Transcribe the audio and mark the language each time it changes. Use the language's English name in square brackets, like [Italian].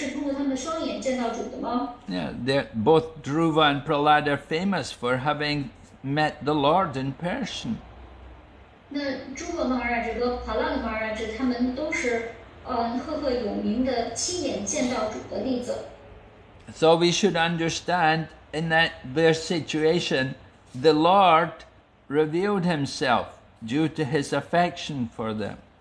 [English] Yeah, they're, both Dhruva and Prahlad are famous for having met the Lord in person. [Chinese] 那诸葛玛拉智和帕拉的玛拉智他们都是赫赫有名的亲眼见到主的例子。 [English] So we should understand in that their situation, the Lord revealed himself due to his affection for them.